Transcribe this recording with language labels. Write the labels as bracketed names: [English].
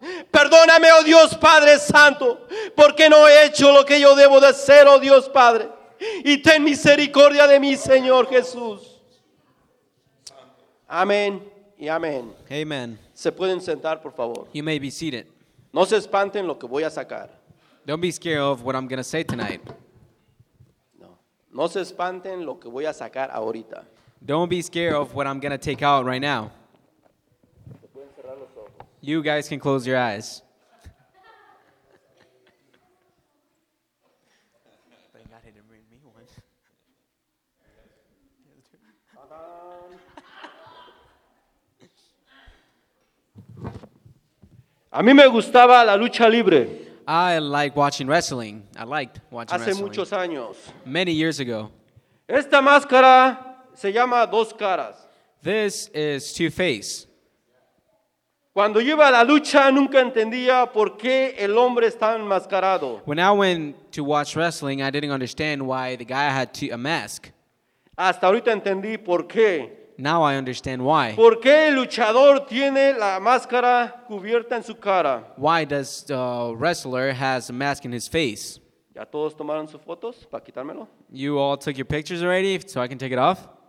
[Spanish] Perdóname, oh Dios Padre Santo, porque no he hecho lo que yo debo de hacer, oh Dios Padre. Y ten misericordia de mí, Señor Jesús. Amén y amén. [English] Amen. [Spanish] Se pueden sentar, por favor. [English] You may be seated. [Spanish] No se espanten lo que voy a sacar. [English] Don't be scared of what I'm going to say tonight. [Spanish] No se espanten lo que voy a sacar ahorita. [English] Don't be scared of what I'm going to take out right now. You guys can close your eyes. Thank God he didn't bring me one. [Spanish] A mí me gustaba la lucha libre. [English] I like watching wrestling. I liked watching [Spanish] hace [English] wrestling. [Spanish] Muchos años. [English] Many years ago. [Spanish] Esta máscara se llama Dos Caras. [English] This is Two-Face. [Spanish] Cuando iba a la lucha, nunca entendía por qué el hombre estaba enmascarado. [English] When I went to watch wrestling, I didn't understand why the guy had a mask. [Spanish] Hasta ahorita entendí por qué. [English] Now I understand why. [Spanish] ¿Por qué el luchador tiene la máscara cubierta en su cara? [English] Why does the wrestler has a mask in his face? [Spanish] ¿Ya todos tomaron sus fotos para quitármelo? [English] You all took your pictures already, so I can take it off?